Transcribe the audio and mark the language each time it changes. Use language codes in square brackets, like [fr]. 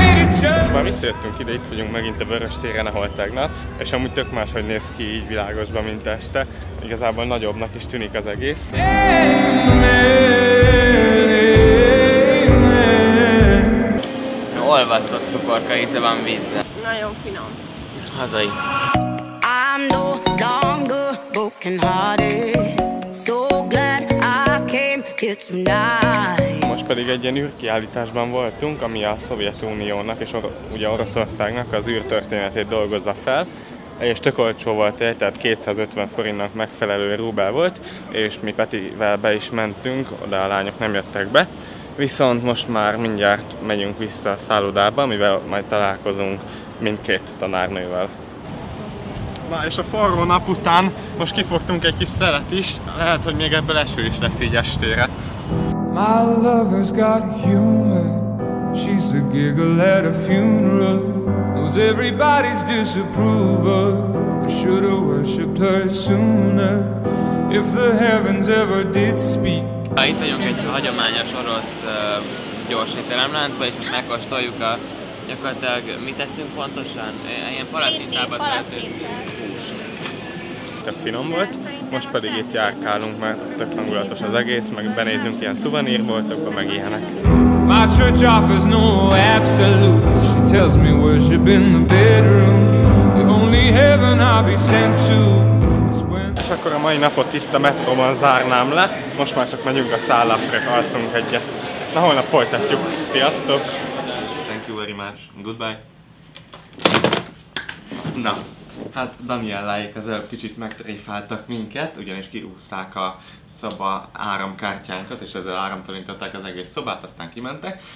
[hu] Most már visszajöttünk ide, itt vagyunk megint a Vörös téren, ahol tegnap, és amúgy tök máshogy néz ki így világosban, mint este. Igazából nagyobbnak is tűnik az egész. Olvasztott cukorka íze van vízzel. Nagyon finom. Hazai. [en] I'm no longer broken hearted. So glad I came here tonight. [hu] Most pedig egy ilyen űrkiállításban voltunk, ami a Szovjetuniónak és ugye Oroszországnak az űrtörténetét dolgozza fel. És tök olcsó volt, tehát 250 forintnak megfelelő rubel volt, és mi Petivel be is mentünk, oda a lányok nem jöttek be. Viszont most már mindjárt megyünk vissza a szállodába, mivel majd találkozunk mindkét tanárnővel. Na és a forró nap után most kifogtunk egy kis szelet is, lehet, hogy még ebből eső is lesz így estére. [en] My lover's got humor, she's a giggle at a funeral, knows everybody's disapproval, I should've worshipped her sooner, if the heavens ever did speak. [hu] Ha itt vagyunk egy hagyományos orosz gyors étteremláncba, és most megkóstoljuk a gyakorlatilag, mit eszünk pontosan? Ilyen palacsintába töltünk. Tök finom volt, most pedig itt járkálunk, mert tök hangulatos az egész, meg benézünk ilyen szuvenírboltokba, meg ilyenek. [en] My church offers no absolutes, she tells me worship in the bedroom, the only heaven I'll be sent to. [hu] És akkor a mai napot itt a metróban zárnám le, most már csak megyünk a szállásra, alszunk egyet. Na, holnap folytatjuk. Sziasztok! [en] Thank you very much. Goodbye. [hu] Na, hát Daniellaék az előbb kicsit megtréfáltak minket, ugyanis kiúzták a szoba áramkártyánkat, és ezzel áramtalanították az egész szobát, aztán kimentek.